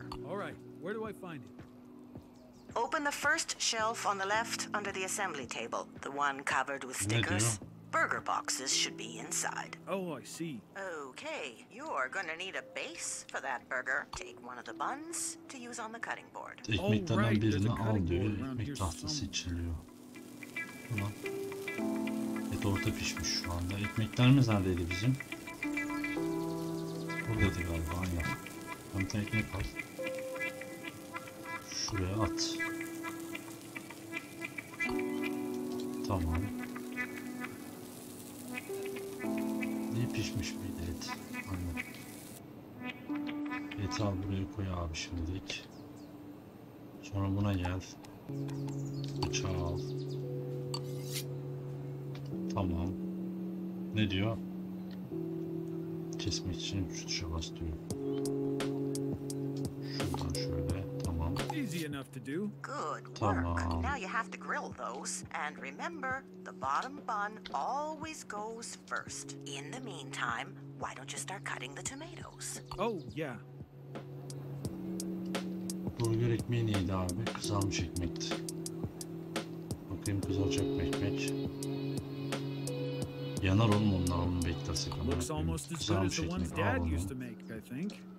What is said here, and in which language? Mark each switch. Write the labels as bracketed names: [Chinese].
[English] Alright, where do I find it? Open the first shelf on the left under the assembly table. The one covered with stickers. Burger boxes should be inside. Oh, I see. Okay, you're gonna need a base for that burger. Take one of the buns to use on the cutting board. [Turkish] Ekmekten [English] right, [Turkish] birini al diyor. Ekmek tahtası içiliyor. Ulan. Et orta pişmiş şu anda. Ekmeklerimiz neredeydi bizim? Buradaydı galiba, aynen. Bir tane ekmek al. Şuraya at. Tamam. İyi pişmiş miydi et? Aynen. Eti al buraya koy abi şimdilik. Sonra buna gel. Bıçağı al. Tamam. Ne diyor? Kesmek için şu tuşa bas diyor. Şuradan şöyle. Tamam. [English] Easy enough to do. Good work. [Turkish] Tamam. [English] Now you have to grill those. And remember, the bottom bun always goes first. In the meantime, why don't you start cutting the tomatoes? Oh, yeah. [Turkish] Burger ekmeği neydi abi? Kızarmış ekmekti. Bakayım kızaracak mı ekmek? Yanar oğlum onlar, onu beklersek ama. [English] Looks almost as good as the ones Dad used to make, I think.